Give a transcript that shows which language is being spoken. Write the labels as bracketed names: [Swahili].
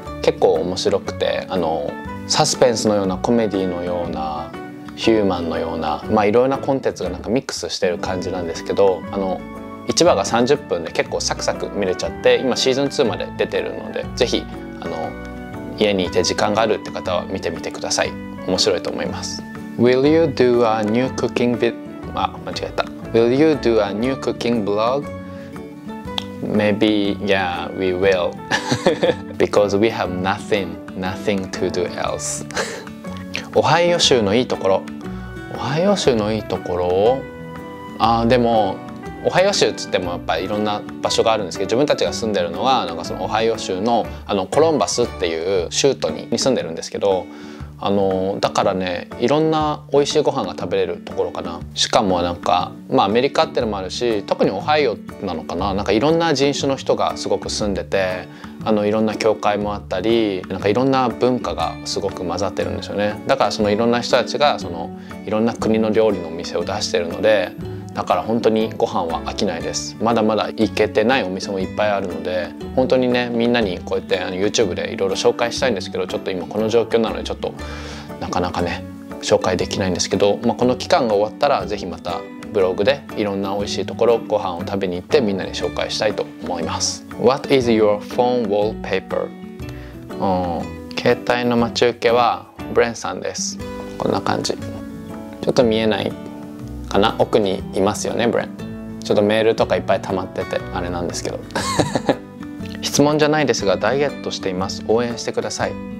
[Japanese] 結構面白くて、サスペンスのような、コメディのような、ヒューマンのような、いろいろなコンテンツがなんかミックスしてる感じなんですけど、1話が30分で結構サクサク見れちゃって、今シーズン2まで出てるので、ぜひ家にいて時間があるって方は見てみてください。面白いと思います。 [English] Will you do a new cooking Will you do a new cooking blog? Maybe, yeah, we will. Because we have nothing to do else. [Japanese] オハイオ州のいいところ。オハイオ州のいいところ、あでもオハイオ州っつってもやっぱりいろんな場所があるんですけど、自分たちが住んでるのはなんかそのオハイオ州 の、 あのコロンバスっていう州都に住んでるんですけど、あのだからねいろんな美味しいご飯が食べれるところかな。しかもなんか、まあ、アメリカってのもあるし、特にオハイオなのかな、なんかいろんな人種の人がすごく住んでて、あのいろんな教会もあったり、なんかいろんな文化がすごく混ざってるんですよね。だからそのいろんな人たちがそのいろんな国の料理のお店を出してるので、だから本当にご飯は飽きないです。まだまだ行けてないお店もいっぱいあるので、本当にねみんなにこうやってあの YouTube でいろいろ紹介したいんですけど、ちょっと今この状況なのでちょっとなかなかね紹介できないんですけど、まあ、この期間が終わったらぜひまたブログでいろんな美味しいところご飯を食べに行ってみんなに紹介したいと思います。 [English] What is your phone wallpaper? [Japanese] 携帯の待ち受けはブレンさんです。こんな感じ、ちょっと見えないかな、奥にいますよねブレン。ちょっとメールとかいっぱい溜まっててあれなんですけど質問じゃないですがダイエットしています、応援してください。